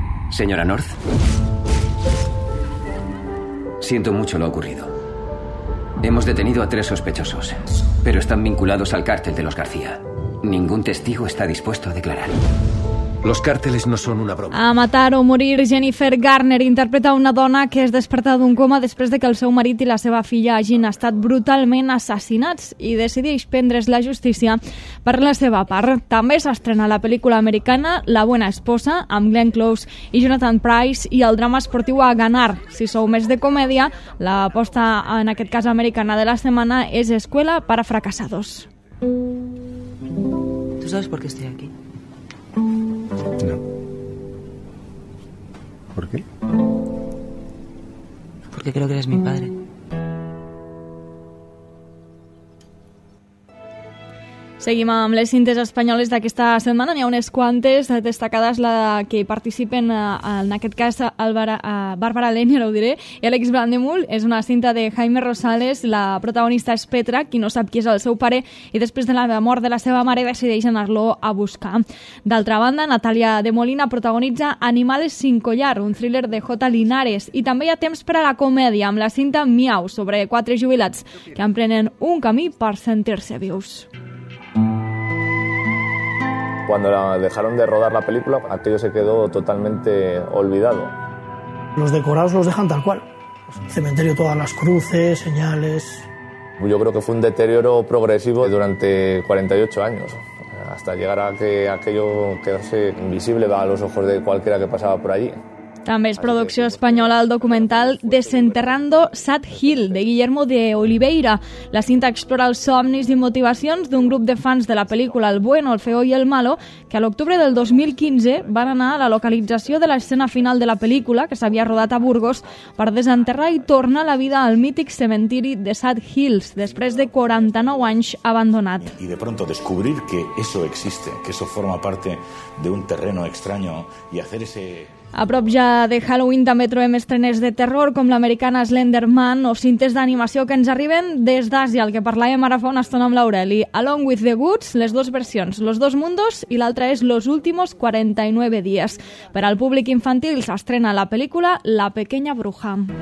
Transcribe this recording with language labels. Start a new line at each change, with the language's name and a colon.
Spanish: Señora North, siento mucho lo ocurrido. Hemos detenido a tres sospechosos, pero están vinculados al cártel de los García. Ningún testigo está dispuesto a declarar. Los cárteles no son una broma.
Catalan: A matar o morir, Jennifer Garner interpreta una dona que es desperta d'un coma després de que el seu marit i la seva filla hagin estat brutalment assassinats i decideix prendre's la justícia per la seva part. També s'estrena la pel·lícula americana La Buena Esposa amb Glenn Close i Jonathan Pryce i el drama esportiu A Ganar. Si sou més de comèdia, l'aposta en aquest cas americana de la setmana és Escuela para fracasados.
Spanish: ¿Tú sabes por qué estoy aquí? No. ¿Por qué? Porque creo que eres mi padre.
Catalan: Seguim amb les cintes espanyoles d'aquesta setmana. N'hi ha unes quantes destacades, la que participen en aquest cas Bàrbara Lennier, ho diré, i Alex Brandemul. És una cinta de Jaime Rosales. La protagonista és Petra, qui no sap qui és el seu pare, i després de la mort de la seva mare decideix anar-lo a buscar. D'altra banda, Natàlia de Molina protagonitza Animales sin collar, un thriller de J. Linares. I també hi ha temps per a la comèdia amb la cinta Miau, sobre quatre jubilats que emprenen un camí per sentir-se vius.
Spanish: Cuando dejaron de rodar la película, aquello se quedó totalmente olvidado. Los decorados los dejan tal cual. Cementerio, todas las cruces, señales. Yo creo que fue un deterioro progresivo durante 48 años, hasta llegar a que aquello quedase invisible a los ojos de cualquiera que pasaba por allí.
Catalan: També és producció espanyola el documental Desenterrando Sad Hill, de Guillermo de Oliveira. La cinta explora els somnis i motivacions d'un grup de fans de la pel·lícula El Bueno, El Feo i El Malo, que a l'octubre del 2015 van anar a la localització de l'escena final de la pel·lícula, que s'havia rodat a Burgos, per desenterrar i tornar la vida al mític cementiri de Sad Hills, després de 49 anys abandonat.
Spanish: Y de pronto descubrir que eso existe, que eso forma parte de un terreno extraño y hacer ese...
Catalan: A prop ja de Halloween també trobem estrenes de terror com l'americana Slenderman o cintes d'animació que ens arriben des d'Àsia, el que parlàvem ara fa una estona amb l'Aureli. Along with the Goods, les dues versions, Los dos mundos, i l'altra és Los últimos 49 días. Per al públic infantil s'estrena la pel·lícula La pequeña bruja.